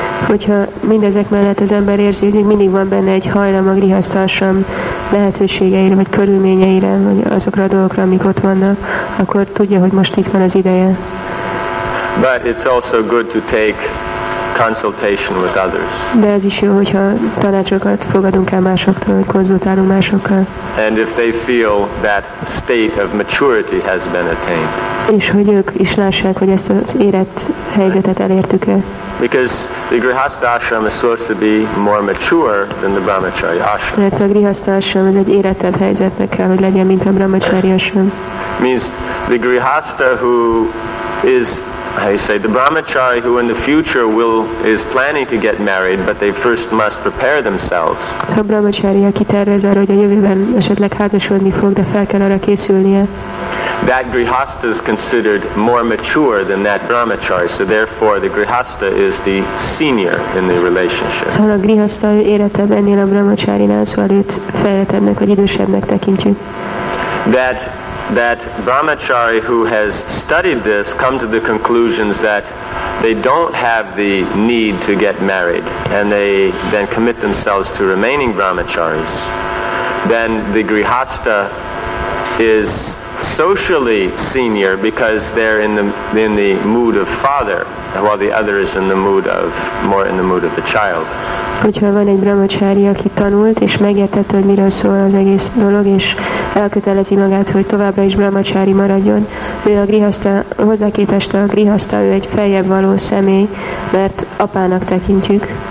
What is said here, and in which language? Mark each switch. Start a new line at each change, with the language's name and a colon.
Hungarian: Hogyha mindezek mellett az ember érzi, hogy mindig van benne egy hajlam a grihastha ashram lehetőségeire, vagy körülményeire, vagy azokra a dolgokra, amik ott vannak, akkor tudja, hogy most itt van az ideje.
English: But it's also good to take consultation with others.
Hungarian: De ez is jó, hogyha tanácsokat fogadunk el másoktól, vagy konzultálunk másokkal.
English: And if they feel that state of maturity has been attained.
Hungarian: És hogy ők is lássák, hogy ezt az érett helyzetet elértük-e.
English: Because the grihastha ashram is supposed to be more mature than the brahmachari ashram.
Hungarian: Mert a grihastha ashram az egy érettebb helyzetnek kell, hogy legyen, mint a brahmachari ashram.
English: Means the grihastha who is, how you say, the brahmachari who in the future is planning to get married, but they first must prepare themselves.
Hungarian: A brahmachari, aki tervez arra, hogy a jövőben esetleg házasodni fog, de fel kell arra készülnie.
English: That grihastha is considered more mature than that brahmachari, so therefore the grihastha is the senior in the relationship.
Hungarian: Szóval a grihastha érettebb ennél a brahmacharinál, szóval őt fejlettebbnek vagy idősebbnek tekintjük.
English: That brahmachari who has studied this come to the conclusions that they don't have the need to get married, and they then commit themselves to remaining brahmacharis, then the grihastha is socially senior because they're in the mood of father, while the other is more in the mood of the child.
Hungarian: Hogyha van egy brahmachari, aki tanult és megértette, hogy miről szól az egész dolog, és elkötelezi magát, hogy továbbra is brahmachari maradjon, ő a grihastha, hozzá képest a grihastha, ő egy feljebb való személy, mert apának tekintjük.